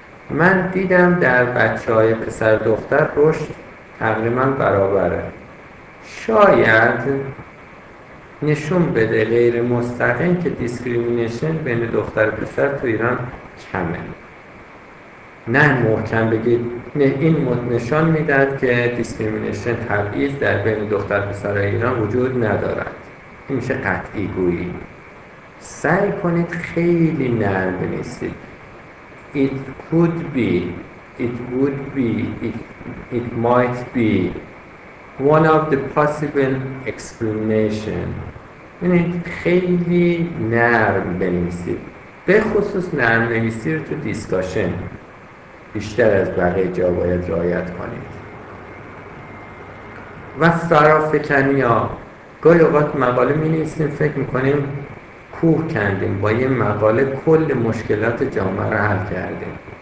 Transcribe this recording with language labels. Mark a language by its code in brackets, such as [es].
[fa] من دیدم در بچه های پسر دختر رشد تقریبا برابره، شاید نشون بده غیر مستقیم که دیسکریمینیشن بین دختر پسر تو ایران کمه. نه محکم بگید، نه این نشان میدهد که دیسکریمینیشن تبعیض در بین دختر پسر ایران وجود ندارد، این میشه قطعی گویی. سعی کنید خیلی نرم بنویسید. [en] It could be, it would be, it might be one of the possible explanation. [fa] یعنی خیلی نرم بنویسید، به خصوص نرم نویسی رو تو دیسکاشن بیشتر از بقیه جا باید رعایت کنید. و فرافکنی ها، گاهی اوقات مقاله می نویسیم فکر میکنیم کوه کندیم، با یه مقاله کل مشکلات جامعه رو حل کردیم.